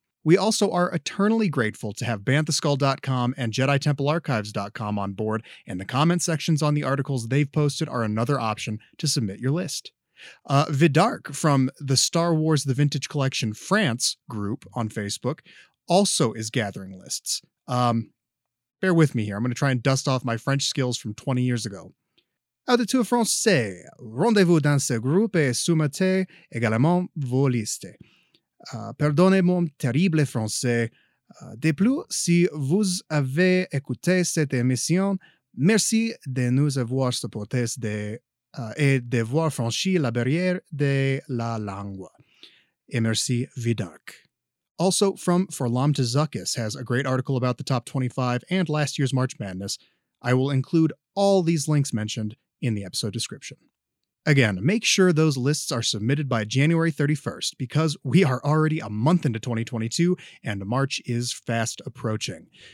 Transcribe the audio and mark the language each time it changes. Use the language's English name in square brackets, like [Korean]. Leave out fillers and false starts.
[English] We also are eternally grateful to have BanthaSkull.com and JediTempleArchives.com on board, and the comment sections on the articles they've posted are another option to submit your list. Vidark from the Star Wars The Vintage Collection France group on Facebook also is gathering lists. Bear with me here. I'm going to try and dust off my French skills from 20 years ago. [French] Au de tout français, rendez-vous dans ce groupe et soumettez également vos listes. Pardonnez mon terrible français. De plus, si vous avez écouté cette émission, merci de nous avoir supportés et d'avoir franchi la barrière de la langue. Et merci, Vidark. [English] Also, from Forlom to Zuckus has a great article about the top 25 and last year's March Madness. I will include all these links mentioned in the episode description. Again, make sure those lists are submitted by January 31st, because we are already a month into 2022, and March is fast approaching.